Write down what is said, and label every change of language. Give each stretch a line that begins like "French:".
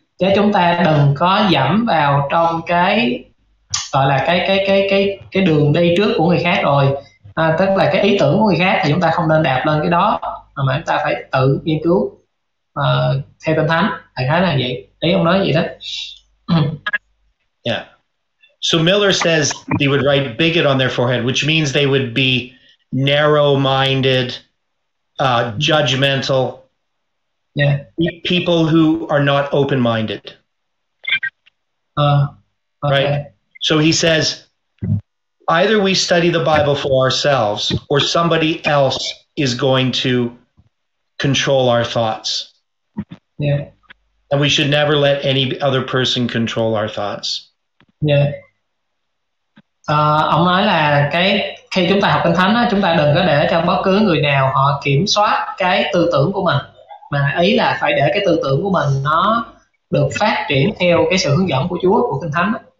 Vietnamese: Chứ chúng ta đừng có dẫm vào trong cái gọi là cái đường đi trước của người khác rồi. Tức là cái ý tưởng của người khác thì chúng ta không nên đạp lên cái đó, mà chúng ta phải tự nghiên cứu theo Kinh Thánh. Thầy khái là vậy. Đấy, ông nói vậy đó.
English: Yeah. So Miller says they would write bigot on their forehead, which means they would be narrow-minded, judgmental. Yeah. People who are not open-minded. Okay. Right. So he says, either we study the Bible for ourselves, or somebody else is going to control our thoughts. Yeah. And we should never let any other person control our thoughts. Yeah.
Vietnamese: Ông nói là cái khi chúng ta học Kinh Thánh á, chúng ta đừng có để cho bất cứ người nào họ kiểm soát cái tư tưởng của mình, mà ý là phải để cái tư tưởng của mình nó được phát triển theo cái sự hướng dẫn của Chúa, của Kinh Thánh á.